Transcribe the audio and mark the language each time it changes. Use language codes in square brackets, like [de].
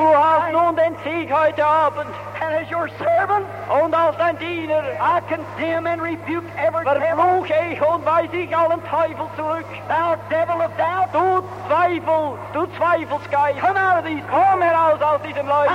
[de] Du hast nun den Sieg heute Abend. [en] And as your servant. [de] Und als dein Diener. [en] I condemn and rebuke every devil. [de] Verfluche ich und weise ich allen Teufel zurück. [en] Thou devil of doubt. [de] Du Zweifel. Du Zweifelsgeist. [en] Come out of these. [de] Komm heraus aus diesen Leuten.